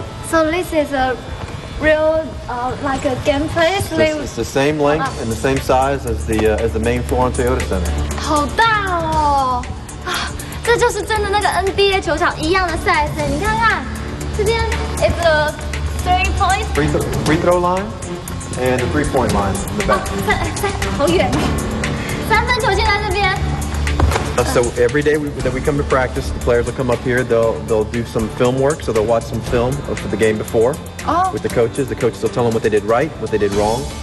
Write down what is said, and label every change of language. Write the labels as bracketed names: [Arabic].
[English] So this is a real, like a game place? It's the same length and the same size as the main floor on Toyota Center. [Chinese] 好大哦！啊，这就是真的那个 NBA 球场一样的 size。你看看，这边 [English] is a three-point free throw line and a three-point line in the back. [Chinese] 好远。三分球线在这边。 [English] So every day that we come to practice, the players will come up here. They'll do some film work, so they'll watch some film of the game before with the coaches. The coaches will tell them what they did right, what they did wrong.